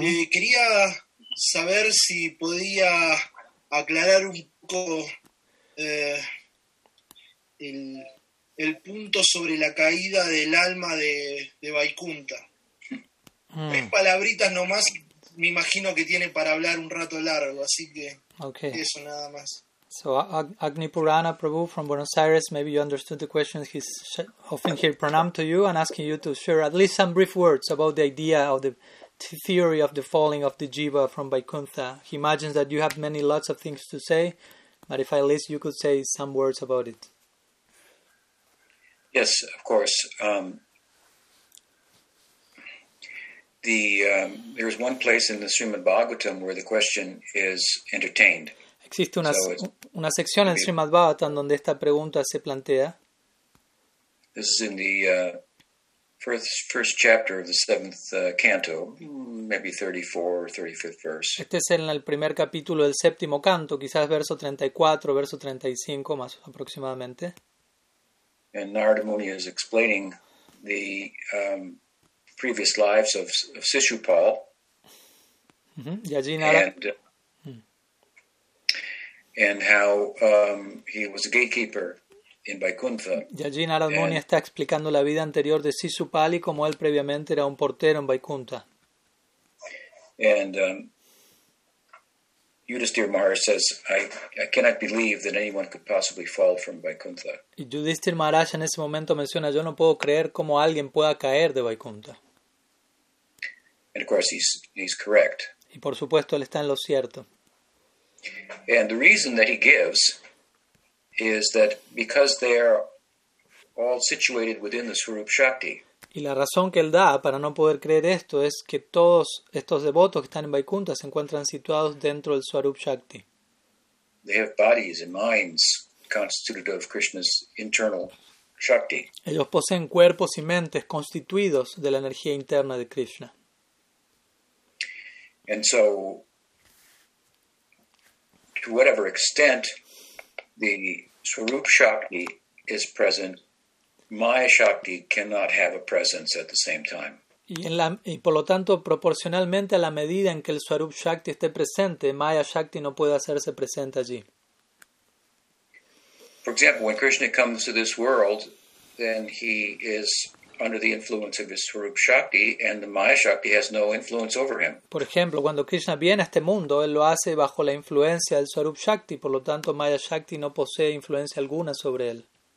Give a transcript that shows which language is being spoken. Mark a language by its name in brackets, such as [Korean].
[Spanish] Quería saber si podía aclarar un poco el punto sobre la caída del alma de Vaikunta. Tres palabritas nomás, me imagino que tiene para hablar un rato largo, así que eso nada más. [English] So Agni Purana Prabhu from Buenos Aires, maybe you understood the questions he's offering here, pranam to you, and asking you to share at least some brief words about the idea of the theory of the falling of the jiva from Vaikuntha. He imagines that you have many lots of things to say, but if at least you could say some words about it. Yes, of course. There is one place in the Srimad Bhagavatam where the question is entertained. [Spanish] Existe una sección en Srimad Bhagavatam donde esta pregunta se plantea. [English] This is in the first chapter of the seventh canto, maybe 34 or 35th verse. [Spanish] Este es en el primer capítulo del séptimo canto, quizás verso 34, verso 35 más aproximadamente. [English] And Narada Muni is explaining the previous lives of Shishupal. [Spanish] Y allí Narada. [English] And how he was a gatekeeper in Vaikuntha. [Spanish] Yajin Narad Muni está explicando la vida anterior de Shishupal y cómo él previamente era un portero en Vaikuntha. [English] And Yudhisthira Maharaj says, I cannot believe that anyone could possibly fall from Vaikuntha. [Spanish] Y Yudhisthira Maharaj en ese momento menciona, yo no puedo creer cómo alguien pueda caer de Vaikuntha. [English] And of course he's correct. [Spanish] Y por supuesto él está en lo cierto. [English] And the reason that he gives is that because they are all situated within the Swarup Shakti. [Spanish] Y la razón que él da para no poder creer esto es que todos estos devotos que están en Vaikuntha se encuentran situados dentro del Swarup Shakti. [English] They have bodies and minds constituted of Krishna's internal Shakti. [Spanish] Ellos poseen cuerpos y mentes constituidos de la energía interna de Krishna. [English] And so, to whatever extent the Swarup Shakti is present, Maya Shakti cannot have a presence at the same time. [Spanish] Y por lo tanto, proporcionalmente a la medida en que el Swarup Shakti esté presente, Maya Shakti no puede hacerse presente allí. [English] For example, when Krishna comes to this world, then he is under the influence of his Swarup Shakti, and the Maya Shakti has no influence over him. [Spanish] Por ejemplo, cuando Krishna viene a este mundo, él lo hace bajo la influencia del Swarup Shakti, por lo tanto, Maya Shakti no posee influencia alguna sobre él.